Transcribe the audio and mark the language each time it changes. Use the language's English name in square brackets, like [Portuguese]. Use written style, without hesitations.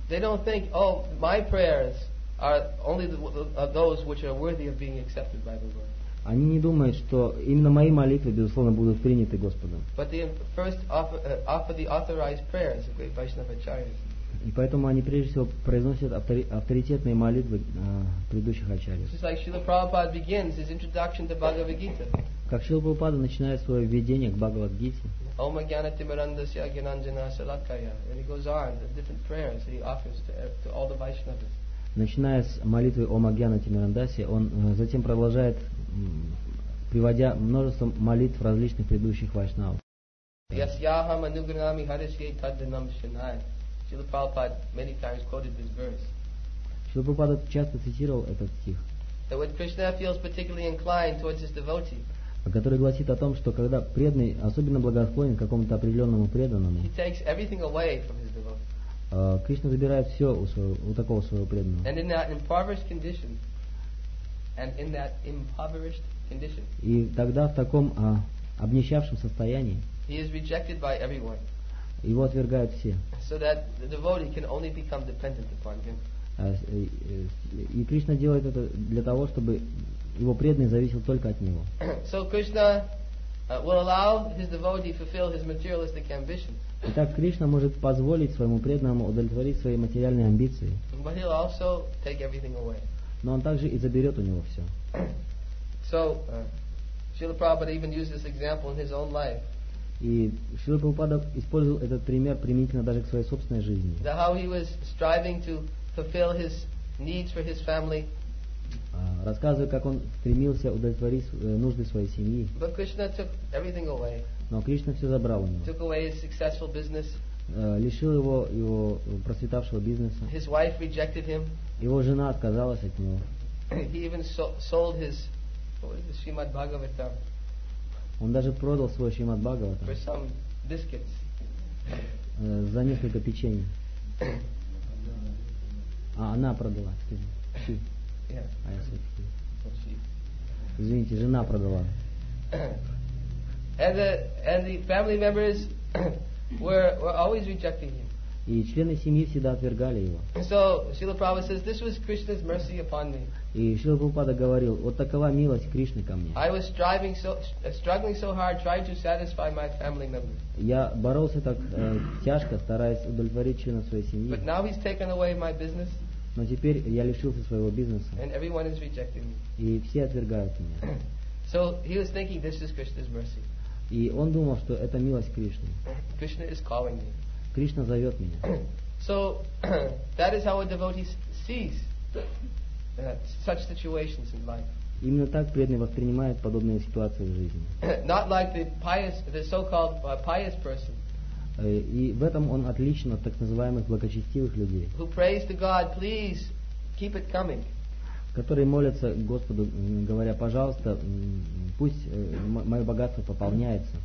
[English] They don't think, oh, my prayers are only those which are worthy of being accepted by the Lord. [Russian] Они не думают, что именно мои молитвы безусловно будут приняты Господом. [English] But they first offer the authorized prayers of great Vaishnava acharyas. [Russian] И поэтому они прежде всего произносят авторитетные молитвы предыдущих ачарьев. [English] Just like Srila Prabhupada begins his introduction to Bhagavad Gita. [Russian] Как Шрила Прабхупада начинает свое введение к Бхагавад Гите. [Sanskrit] Ом агьяна тимирандасья агьянанджана салакая. [English] And he goes on the different prayers that he offers to all the Vaishnavas. [Russian] Начиная с молитвы [Sanskrit] Ом агьяна тимирандасья, [Russian] он затем продолжает, приводя множество молитв различных предыдущих вайшнав. [Sanskrit] Ясьяхам анугринами харисьей тадданам шинай. [English] Srila Prabhupada many times quoted this verse. [Russian] Srila Prabhupada часто цитировал этот стих. [English] That when Krishna feels particularly inclined towards his devotee, [Russian] который гласит о том, что когда преданный особенно благосклонен к какому-то определенному преданному, [English] he takes everything away from his devotee. [Russian] Кришна забирает все у такого своего преданного. [English] And in that impoverished condition, and in that impoverished condition, [Russian] и тогда в таком обнищавшем состоянии, [English] he is rejected by everyone. [Russian] Его отвергают все. [English] So that the devotee can only become dependent upon him. [Russian] И Кришна делает это для того, чтобы его преданный зависел только от него. [English] So Krishna will allow his devotee fulfill his materialistic ambition. [Russian] Итак, Кришна может позволить своему преданному удовлетворить свои материальные амбиции. [English] But he'll also take everything away. [Russian] Но он также и заберет у него все. [English] So Srila Prabhupada even used this example in his own life. [Russian] И Шрила Прабхупада использовал этот пример применительно даже к своей собственной жизни. [English] The how he was striving to fulfill his needs for his family. [Russian] Рассказывая, как он стремился удовлетворить нужды своей семьи. [English] But Krishna took everything away. [Russian] Но Кришна все забрал у него. [English] Took away his successful business. [Russian] Лишил его процветавшего бизнеса. [English] His wife rejected him. [Russian] Его жена отказалась от него. [English] He even sold his, what is the Srimad Bhagavatam? [Russian] Он даже продал свой Шримад Бхагаватам. [English] For some biscuits. [Russian] За несколько печенье. А она продала. [English] Yeah. [Russian] Извините, жена продала. [English] And the family members were always rejecting him. [Russian] И члены семьи всегда отвергали его. [English] So Srila Prabhupada says, this was Krishna's mercy upon me. [Russian] И Шрила Прабхупада говорил, вот такова милость Кришны ко мне. [English] I was striving so, struggling so hard, trying to satisfy my family members. [Russian] Я боролся так тяжко, стараясь удовлетворить членов своей семьи. [English] But now he's taken away my business. [Russian] Но теперь я лишился своего бизнеса. [English] And everyone is rejecting me. [Russian] И все отвергают меня. [English] So he was thinking, this is Krishna's mercy. [Russian] И он думал, что это милость Кришны. [English] Krishna is calling me. [Russian] Кришна зовет меня. [English] So that is how a devotee sees such situations in life. [Russian] Именно так преданный воспринимает подобные ситуации в жизни. [English] Not like the so-called pious person. [Russian] И в этом он отличен от так называемых благочестивых людей. [English] Who prays to God, please keep it coming. [Russian] Которые молятся Господу, говоря, пожалуйста, пусть мое богатство пополняется.